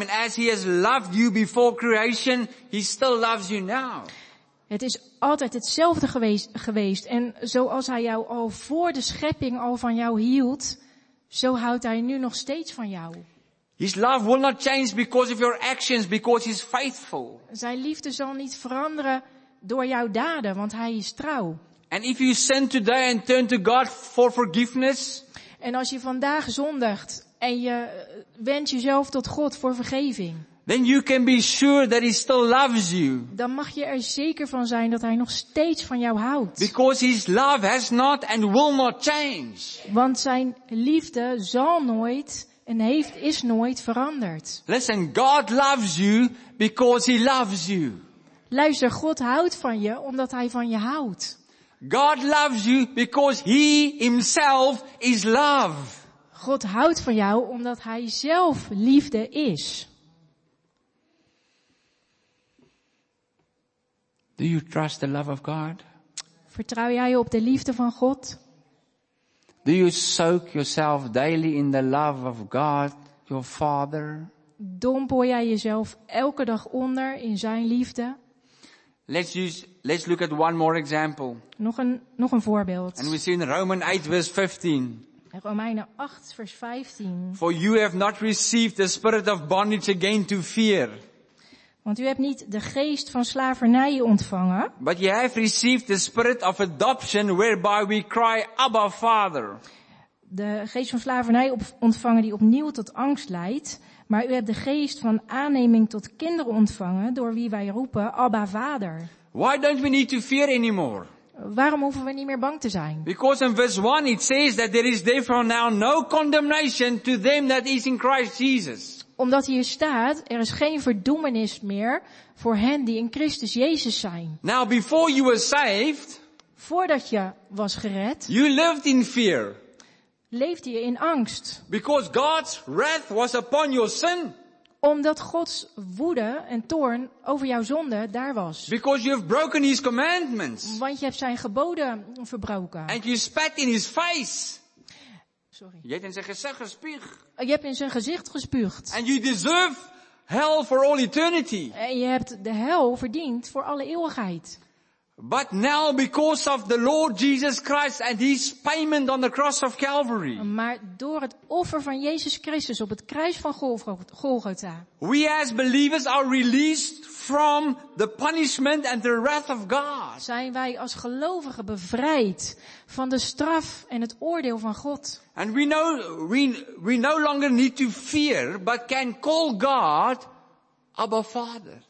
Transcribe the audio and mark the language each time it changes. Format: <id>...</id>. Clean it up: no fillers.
<en>And as he has loved you before creation, he still loves you now.</en> <nl>Het is altijd hetzelfde geweest. En zoals hij jou al voor de schepping al van jou hield, zo houdt hij nu nog steeds van jou.</nl> <en>His love will not change because of your actions, because he's faithful.</en> <nl>Zijn liefde zal niet veranderen door jouw daden, want hij is trouw.</nl> <en>And if you sin today and turn to God for forgiveness.</en> <nl>En als je vandaag zondigt en je wendt jezelf tot God voor vergeving.</nl> <en>Then you can be sure that he still loves you.</en> <nl>Dan mag je er zeker van zijn dat hij nog steeds van jou houdt.</nl> <en>Because his love has not and will not change.</en> <nl>Want zijn liefde zal nooit en heeft is nooit veranderd.</nl> <en>Listen, God loves you because he loves you.</en> <nl>Luister, God houdt van je omdat hij van je houdt.</nl> <en>God loves you because he himself is love.</en> <nl>God houdt van jou omdat hij zelf liefde is.</nl> <en>Do you trust the love of God?</en> <nl>Vertrouw jij op de liefde van God?</nl> <en>Do you soak yourself daily in the love of God, your Father?</en> <nl>Dompel jij jezelf elke dag onder in zijn liefde?</nl> <en>Let's look at one more example.</en> <nl>Nog een voorbeeld.</nl> <en>And we see in Romans 8 verse 15.</en> <nl>Romeinen 8 vers 15.</nl> <en>For you have not received the spirit of bondage again to fear.</en> <nl>Want u hebt niet de geest van slavernij ontvangen.</nl> <en>But you have received the spirit of adoption whereby we cry Abba Father.</en> <nl>De geest van slavernij ontvangen die opnieuw tot angst leidt. Maar u hebt de geest van aanneming tot kinderen ontvangen door wie wij roepen Abba Vader.</nl> <en>Why don't we need to fear anymore?</en> <nl>Waarom hoeven we niet meer bang te zijn?</nl> <en>Because in verse 1 it says that there is therefore now no condemnation to them that is in Christ Jesus.</en> <nl>Omdat hier staat, er is geen verdoemenis meer voor hen die in Christus Jezus zijn.</nl> <en>Now before you were saved,</en> <nl>voordat je was gered,</nl> <en>you lived in fear.</en> <nl>Leefde je in angst.</nl> <en>Because God's wrath was upon your sin.</en> <nl>Omdat Gods woede en toorn over jouw zonde daar was.</nl> <en>Because you have broken his commandments.</en> <nl>Want je hebt zijn geboden verbroken.</nl> <en>And you spat in his face. Sorry.</en> <nl>Je hebt in zijn gezicht gespuugd. Je hebt in zijn gezicht gespuugd.</nl> <en>And you deserve hell for all eternity.</en> <nl>En je hebt de hel verdiend voor alle eeuwigheid.</nl> <en>But now because of the Lord Jesus Christ and his payment on the cross of Calvary.</en> <nl>Maar door het offer van Jezus Christus op het kruis van Golgotha.</nl> <en>We as believers are released from the punishment and the wrath of God.</en> <nl>Zijn wij als gelovigen bevrijd van de straf en het oordeel van God.</nl> <en>And we no longer need to fear but can call God Abba Vader.</en>